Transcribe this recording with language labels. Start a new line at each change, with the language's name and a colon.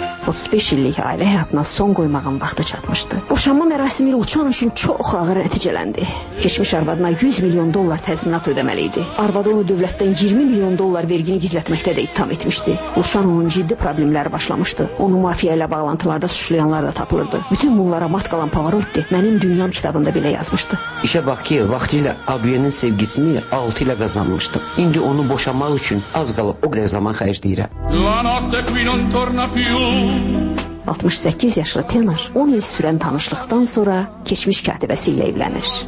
Azerbaijani: 35 illik ailə həyatına son qoymağın vaxtı çatmışdı. Boşanma mərasimi Luciano üçün çox ağır nəticələndi. Keçmiş arvadına 100 milyon dollar təzminat ödəməli idi. Arvad onu dövlətdən 20 milyon dollar vergini gizlətməkdə də ittiham etmişdi. Luciano'nun ciddi problemləri başlamışdı. Onu mafiya ilə bağlantılarda suçlayanlar da tapılırdı. Bütün bunlara mat qalan Pavarotti mənim dünyam kitabında belə yazmışdı. İşə bax ki, vaxtilə Abiyenin sevgisini 6 ilə qazanmışdım. İndi onu boşanmaq üçün az qalıb o qədər zaman xərcləyirəm.
Italian: La notte qui non torna più.
Azerbaijani: 68 yaşlı tenor 10 il sürən tanışlıqdan sonra keçmiş katibəsi ilə evlənir.